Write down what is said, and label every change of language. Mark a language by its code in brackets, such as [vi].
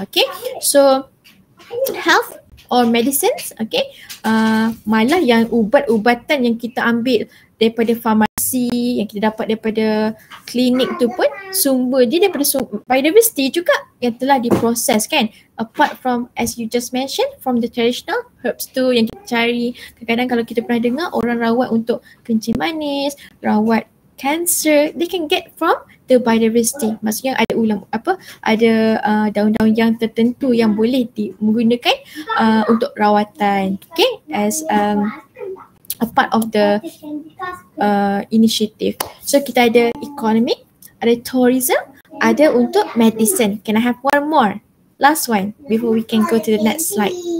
[ms] Okay, so health or medicines, okay, malah yang ubat-ubatan yang kita ambil daripada farmasi, yang kita dapat daripada klinik tu pun sumber dia daripada biodiversity juga yang telah diproses kan. [en] Apart from, as you just mentioned, from the traditional herbs [ms] tu yang kita cari. Kadang-kadang kalau kita pernah dengar orang rawat untuk kencing manis, rawat cancer, [en] they can get from the biodiversity. [ms] Maksudnya ada ulam, apa, ada daun-daun yang tertentu yang boleh digunakan untuk rawatan. [en] Okay, as a part of the initiative. [ms] So kita ada economy, ada tourism, ada untuk medicine. [en] Can I have one more? Last one before we can go to the next slide.